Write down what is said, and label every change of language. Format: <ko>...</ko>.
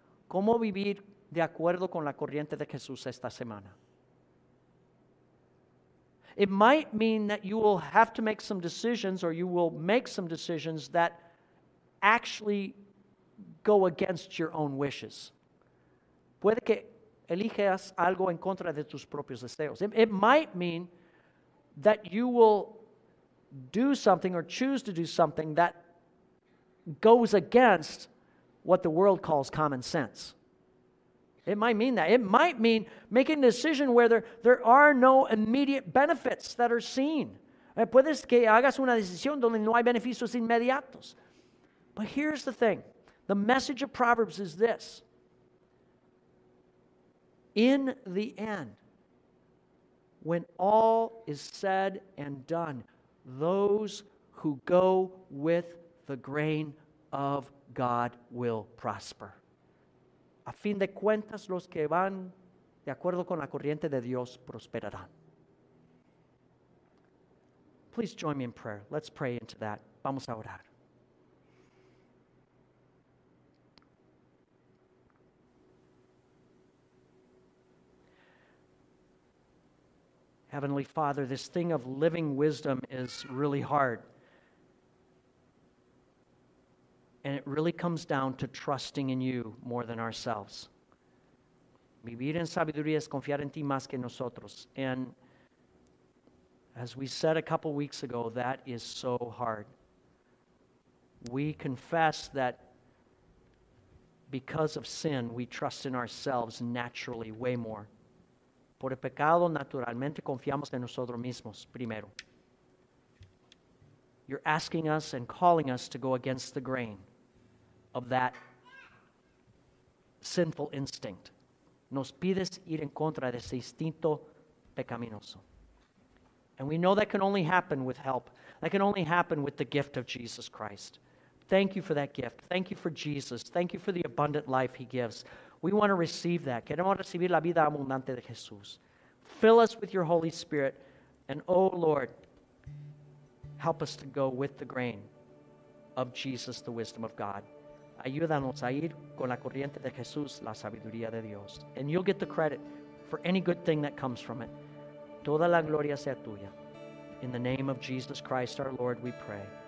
<es>¿Cómo vivir de acuerdo con la corriente de Jesús esta semana?</es> <en>It might mean that you will have to make some decisions, or you will make some decisions that actually go against your own wishes.</en> <es>Puede que elijas algo en contra de tus propios deseos.</es> <en>It might mean that you will do something or choose to do something that goes against what the world calls common sense. It might mean that. It might mean making a decision where there are no immediate benefits that are seen.</en> <es>Puedes que hagas una decisión donde no hay beneficios inmediatos.</es> <en>But here's the thing. The message of Proverbs is this. In the end, when all is said and done, those who go with the grain of God will prosper.</en> <es>A fin de cuentas, los que van de acuerdo con la corriente de Dios prosperarán.</es> <en>Please join me in prayer. Let's pray into that.</en> <es>Vamos a orar.</es> <en>Heavenly Father, this thing of living wisdom is really hard. And it really comes down to trusting in you more than ourselves.</en> <es>Vivir en sabiduría es confiar en ti más que nosotros.</es> <en>And as we said a couple weeks ago, that is so hard. We confess that because of sin, we trust in ourselves naturally way more.</en> <es>Por el pecado, naturalmente, confiamos en nosotros mismos primero.</es> <en>You're asking us and calling us to go against the grain of that sinful instinct.</en> <es>Nos pides ir en contra de ese instinto pecaminoso.</es> <en>And we know that can only happen with help. That can only happen with the gift of Jesus Christ. Thank you for that gift. Thank you for Jesus. Thank you for the abundant life he gives. We want to receive that.</en> <es>Queremos recibir la vida abundante de Jesús.</es> <en>Fill us with your Holy Spirit. And oh Lord, help us to go with the grain of Jesus, the wisdom of God.</en> <es>Ayúdanos a ir con la corriente de Jesús, la sabiduría de Dios.</es> <en>And you'll get the credit for any good thing that comes from it.</en> <es>Toda la gloria sea tuya.</es> <en>In the name of Jesus Christ, our Lord, we pray.</en>